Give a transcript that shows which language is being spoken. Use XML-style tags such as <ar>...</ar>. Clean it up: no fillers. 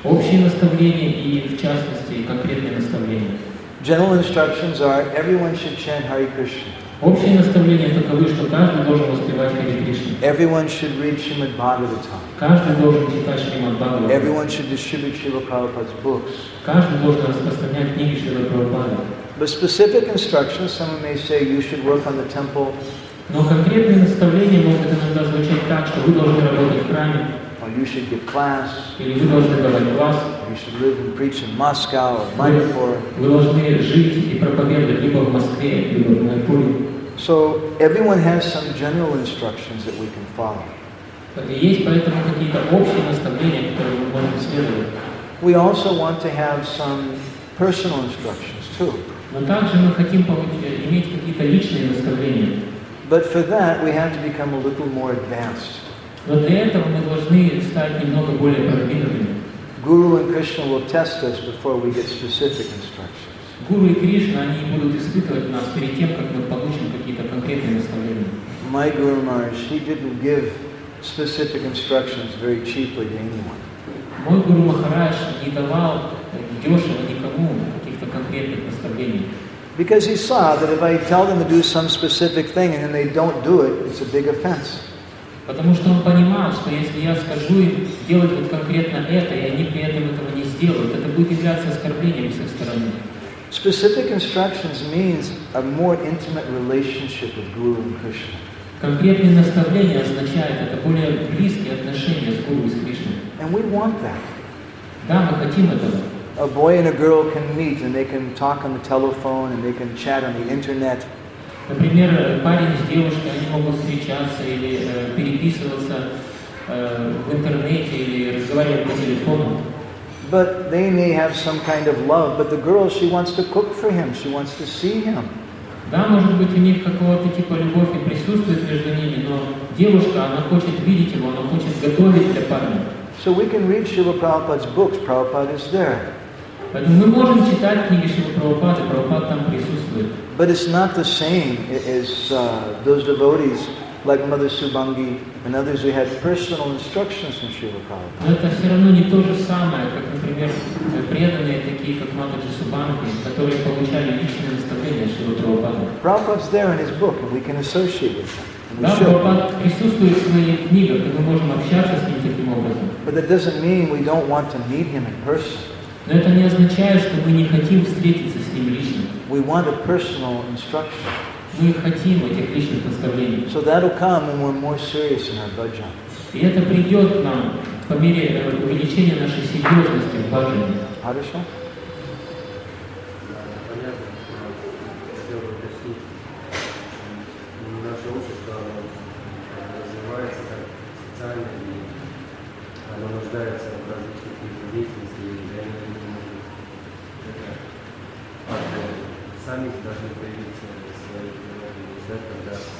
<ru>Общие наставления и, в частности, конкретные наставления.</ru> <en>General instructions are everyone should chant Hare Krishna.</en> <ru>Общие наставления таковы, что каждый должен воспевать Хари Кришну.</ru> <en>Everyone should read Shrimad Bhagavatam.</en> <ru>Каждый должен читать Шримад Бхагаватам.</ru> <en>Everyone should distribute Шрила Прабхупада's books.</en> <ru>Каждый должен распространять книги Шрила Прабхупады.</ru> <en>But specific instructions, someone may say, you should work on the temple.</en> <ru>Но конкретные наставления могут иногда звучать так, что вы должны работать в храме.</ru> <en>Or you should give class.</en> <ru>Или вы должны давать класс.</ru> <en>You should live and preach in Moscow or Mayapur.</en> <ru>Вы должны жить и проповедовать либо в Москве, либо в Майпуре.</ru> <en>So everyone has some general instructions that we can follow.</en> <ru>Есть поэтому какие-то общие наставления, которые мы можем следовать.</ru> <en>We also want to have some personal instructions too.</en> <ru>Но также мы хотим иметь какие-то личные наставления.</ru> <en>But for that we have to become a little more advanced.</en> <ru>Но для этого мы должны стать немного более продвинутыми.</ru> <en>Guru and Krishna will test us before we get specific instructions.</en> <ru>Guru и Кришна, они будут испытывать нас перед тем, как мы получим какие-то конкретные наставления.</ru> <en>My Guru Maharaj, he didn't give specific instructions very cheaply to anyone.</en> <ru>Мой Гуру Махарадж не давал дешево никому каких-то конкретных наставлений.</ru> <en>Because he saw that if I tell them to do some specific thing and then they don't do it, it's a big offense.</en> <ru>Потому что он понимал, что если я скажу им делать вот конкретно это, и они при этом этого не сделают, это будет являться оскорблением с их стороны.</ru> <en>Specific instructions means a more intimate relationship with Guru and Krishna.</en> <ru>Конкретные наставления означают это более близкие отношения с Гуру и с Кришной.</ru> <en>And we want that.</en> <ru>Да, мы хотим этого.</ru> <en>A boy and a girl can meet, and they can talk on the telephone, and they can chat on the internet.</en> <ru>Например, парень с девушкой, они могут встречаться или переписываться в интернете или разговаривать по телефону.</ru> <en>But they may have some kind of love, but the girl, she wants to cook for him, she wants to see him.</en> <ru>Да, может быть, у них какого-то типа любовь и присутствует между ними, но девушка, она хочет видеть его, она хочет готовить для парня.</ru> <en>So we can read Srila Prabhupada's books, Prabhupada is there.</en> <ru>Поэтому мы можем читать книги Шрилы Прабхупады, Прабхупада там присутствует.</ru> <en>But it's not the same as those devotees like Mother Subhangi and others who had personal instructions from Srila Prabhupada.</en> <ru>Но это все равно не то же самое, как, например, преданные такие, как Матаджи Субанги, которые получали личные наставления Шрилы Прабхупады.</ru> <en>Prabhupada's there in his book, and we can associate with him.</en> <ru>Да, Прабхупада присутствует в своей книге, и мы можем общаться с ним таким образом.</ru> <en>But that doesn't mean we don't want to meet him in person.</en> <ru>Но это не означает, что мы не хотим встретиться с ним лично.</ru> <en>We want a personal instruction.</en> <ru>Мы хотим этих личных наставлений.</ru> <en>So that'll come when we're more serious in our bhajan.</en> <ru>И это придет нам по мере увеличения нашей серьезности в бхаджане. Хорошо? Понятно. Хотел бы уточнить. Наше общество развивается как социальное, и оно нуждается в различных видах деятельности, и для них не может сами должны появиться в своей природе, когда</ru>